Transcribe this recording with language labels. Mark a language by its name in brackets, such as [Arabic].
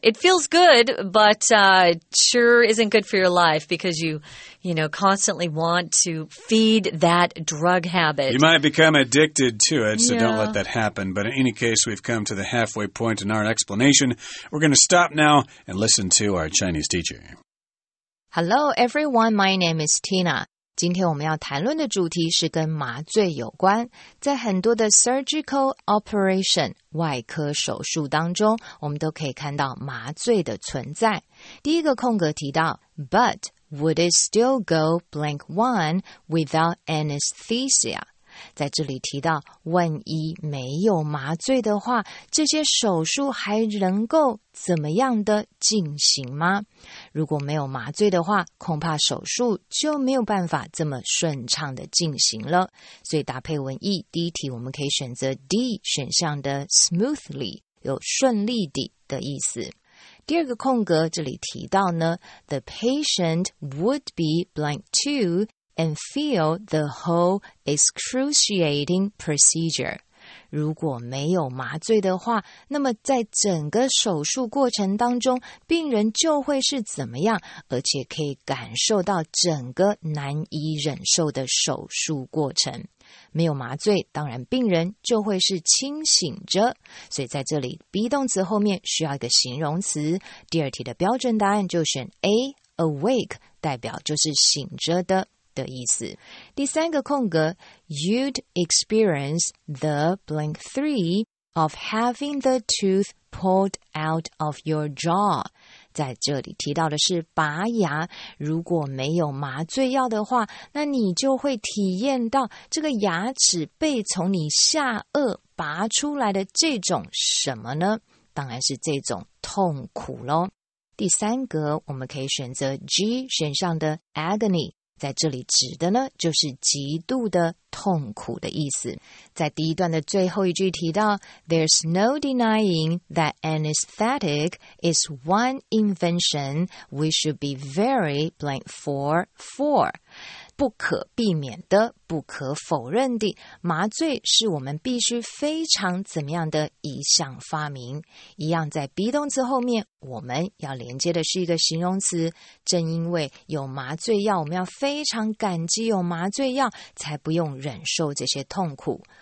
[English] It feels good, but it sure isn't good for your life because you know, constantly want to feed that drug habit. You might become addicted to it, so yeah. Don't let that happen. But in any case, we've come to the halfway point in our explanation. We're going to stop now and listen to our Chinese teacher. Hello, everyone. My name is Tina. [Chinese] 今天我们要谈论的主题是跟麻醉有关。在很多的 surgical operation, 外科手术当中，我们都可以看到麻醉的存在。第一个空格提到 [English] but,Would it still go blank one without anesthesia? [Chinese] 在这里提到万一没有麻醉的话，这些手术还能够怎么样的进行吗？如果没有麻醉的话，恐怕手术就没有办法这么顺畅的进行了。所以搭配文意，第一题我们可以选择 D 选项的 smoothly, 有顺利地的意思。第二个空格这里提到呢 [English] The patient would be blank too and feel the whole excruciating procedure. [Chinese] 如果没有麻醉的话，那么在整个手术过程当中，病人就会是怎么样，而且可以感受到整个难以忍受的手术过程。没有麻醉，当然病人就会是清醒着。所以在这里 ,be 动词后面需要一个形容词。第二题的标准答案就选 A, awake, 代表就是醒着的意思。第三个空格 [English] ,you'd experience the blank three of having the tooth pulled out of your jaw. [Chinese] 在这里提到的是拔牙，如果没有麻醉药的话，那你就会体验到这个牙齿被从你下颚拔出来的这种什么呢？当然是这种痛苦咯。第三格我们可以选择 G 选项的 agony, 在这里指的呢就是极度的痛苦的意思。在第一段的最后一句提到 [English] There's no denying that anesthetic is one invention we should be very blank for. [Chinese] 不可避免的不可否认的麻醉是我们必须非常怎么样的一项发明。一样在 be 动词后面我们要连接的是一个形容词。正因为有麻醉药我们要非常感激有麻醉药才不用忍受这些痛苦。